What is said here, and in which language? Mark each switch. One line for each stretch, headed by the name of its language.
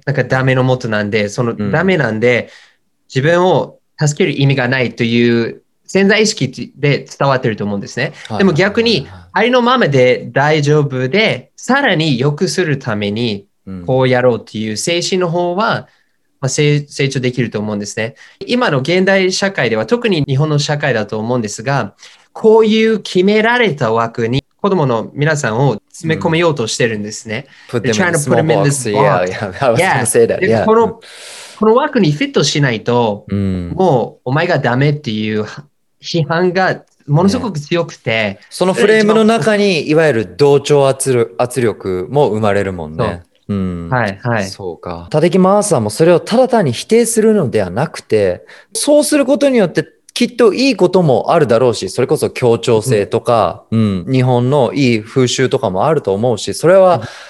Japanese: なんかダメのもとなんで、そのダメなんで、うん、自分を助ける意味がないという潜在意識で伝わってると思うんですね、はいはいはいはい、でも逆にありのままで大丈夫でさらに良くするためにこうやろうという精神の方は、まあ、成長できると思うんですね。今の現代社会では特に日本の社会だと思うんですが、こういう決められた枠に子供の皆さんを詰め込めようとしてるんですね、うん、
English: They're trying to put them in this box. Yeah, yeah. I was gonna say that. Yeah.
Japanese: この枠にフィットしないと、うん、もうお前がダメっていう批判がものすごく強くて、ね、そのフレームの中にいわゆる同調圧力も生まれるもんね。うん、はいはい、そうか。たてきマーサーもそれをただ単に否定するのではなくて、そうすることによってきっといいこともあるだろうし、それこそ協調性とか、うんうん、日本のいい風習とかもあると思うし、それは